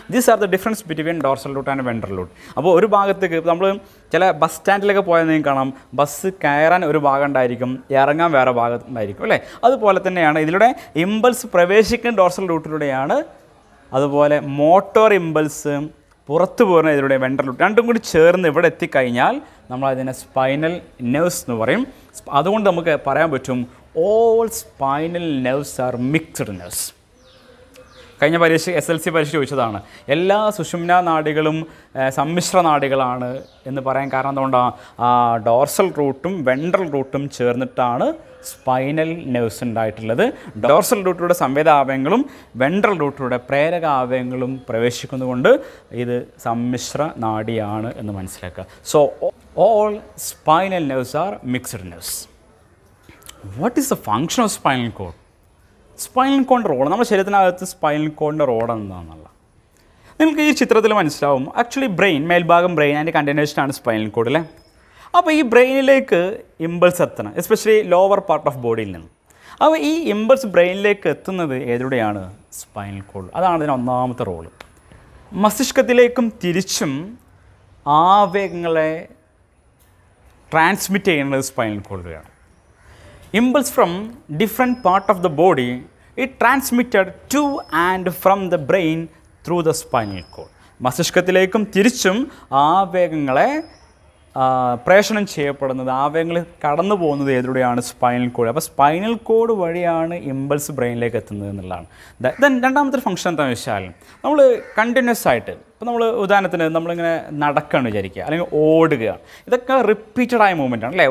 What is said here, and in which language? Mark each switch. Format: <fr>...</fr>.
<en>These are the difference between dorsal root and ventral root.</en> <ml>അപ്പോൾ ഒരു ഭാഗത്തേക്ക് നമ്മൾ ചില ബസ് സ്റ്റാൻഡിലൊക്കെ പോയതെങ്കിൽ കാണാം, ബസ് കയറാൻ ഒരു ഭാഗം ഉണ്ടായിരിക്കും, ഇറങ്ങാൻ വേറെ ഭാഗം ഉണ്ടായിരിക്കും അല്ലേ. അതുപോലെ തന്നെയാണ് ഇതിലൂടെ ഇമ്പൾസ് പ്രവേശിക്കുന്ന ഡോർസൽ റൂട്ടിലൂടെയാണ്, അതുപോലെ മോട്ടോർ ഇമ്പൾസ് പുറത്തു പോകുന്ന ഇതിലൂടെ വെൻട്രൽ റൂട്ട്. രണ്ടും കൂടി ചേർന്ന് ഇവിടെ എത്തിക്കഴിഞ്ഞാൽ നമ്മളതിനെ സ്പൈനൽ നെർവ്സ് എന്ന് പറയും. അതുകൊണ്ട് നമുക്ക് പറയാൻ പറ്റും</ml> <en>All spinal nerves are mixed nerves.</en> <ml>കഴിഞ്ഞ പരീക്ഷ എസ് എൽ സി പരീക്ഷ ചോദിച്ചതാണ്, എല്ലാ സുഷുമ്ന നാഡികളും സമ്മിശ്ര നാഡികളാണ് എന്ന് പറയാൻ കാരണം എന്തുകൊണ്ടാണ്? ആ ഡോർസൽ റൂട്ടും വെൻട്രൽ റൂട്ടും ചേർന്നിട്ടാണ് സ്പൈനൽ നെർവ്സ് ഉണ്ടായിട്ടുള്ളത്. ഡോർസൽ റൂട്ടിലൂടെ സംവേദ ആവയങ്ങളും വെൻട്രൽ റൂട്ടിലൂടെ പ്രേരക ആവയങ്ങളും പ്രവേശിക്കുന്നതുകൊണ്ട് ഇത് സമ്മിശ്ര നാഡിയാണ് എന്ന് മനസ്സിലാക്കുക.</ml> <en>So all spinal nerves are mixed nerves. What is the function of spinal cord?</en> <ml>Spinal കോഡിൻ്റെ role, നമ്മുടെ ശരീരത്തിനകത്ത് സ്പൈനൽ കോഡിൻ്റെ റോൾ എന്താണെന്നുള്ള നിങ്ങൾക്ക് ഈ ചിത്രത്തിൽ മനസ്സിലാവും. ആക്ച്വലി ബ്രെയിൻ, മേൽഭാഗം ബ്രെയിൻ അതിൻ്റെ കണ്ടിന്യൂഷനാണ് സ്പൈനൽ കോഡ് അല്ലേ. അപ്പോൾ ഈ ബ്രെയിനിലേക്ക് ഇമ്പൾസ് എത്തണം, എസ്പെഷ്യലി ലോവർ പാർട്ട് ഓഫ് ബോഡിയിൽ നിന്ന്. അപ്പോൾ ഈ ഇമ്പൾസ് ബ്രെയിനിലേക്ക് എത്തുന്നത് ഏതിലൂടെയാണ്? Spinal cord. അതാണ് അതിൻ്റെ ഒന്നാമത്തെ റോൾ. മസ്തിഷ്കത്തിലേക്കും തിരിച്ചും ആവേഗങ്ങളെ ട്രാൻസ്മിറ്റ് ചെയ്യുന്നത് spinal കോഡിലൂടെയാണ്.</ml> <en>Impulse from different part of the body, it transmitted to and from the brain through the spinal cord.</en> <ml>മസ്തിഷ്കത്തിലേക്കും തിരിച്ചും ആവേഗങ്ങളെ പ്രേഷണം ചെയ്യപ്പെടുന്നത്, ആവേഗങ്ങൾ കടന്നു പോകുന്നത് ഏതിലൂടെയാണ്? Spinal cord. അപ്പോൾ സ്പൈനൽ കോഡ് വഴിയാണ് ഇമ്പൾസ് ബ്രെയിനിലേക്ക് എത്തുന്നത് എന്നുള്ളതാണ്. ദൻ രണ്ടാമത്തെ ഫംഗ്ഷൻ എന്താണെന്ന് വെച്ചാൽ, നമ്മൾ കണ്ടിന്യൂസ് ആയിട്ട് ഇപ്പോൾ നമ്മൾ ഉദാഹരണത്തിന് നമ്മളിങ്ങനെ നടക്കുകയാണ് വിചാരിക്കുക, അല്ലെങ്കിൽ ഓടുക, ഇതൊക്കെ റിപ്പീറ്റഡ് ആയ മൂവ്മെൻ്റാണ് അല്ലേ.</ml>